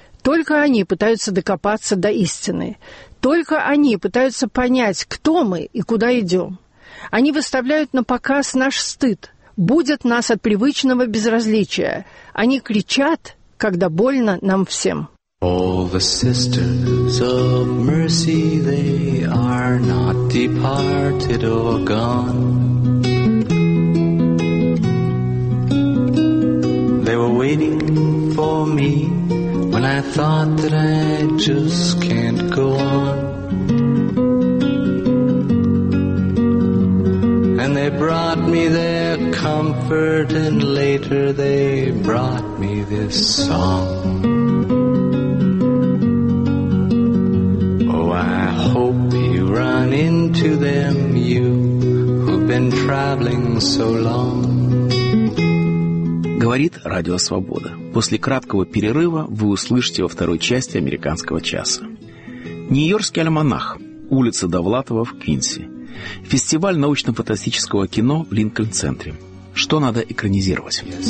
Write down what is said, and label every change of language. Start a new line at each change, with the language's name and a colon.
Russian: Только они пытаются докопаться до истины. Только они пытаются понять, кто мы и куда идем. Они выставляют на показ наш стыд, будят нас от привычного безразличия. Они кричат, когда больно нам всем».
English: All the sisters of mercy, they are not departed or gone. They were waiting for me when I thought that I just can't go on. They brought me their comfort, and later they brought me this song. Oh, I hope you run into them, you who've been traveling so long.
Russian: Говорит Радио Свобода. После краткого перерыва вы услышите во второй части «Американского часа». Нью-Йоркский альманах. Улица Довлатова в Квинси. Фестиваль научно-фантастического кино в Линкольн-центре. Что надо экранизировать?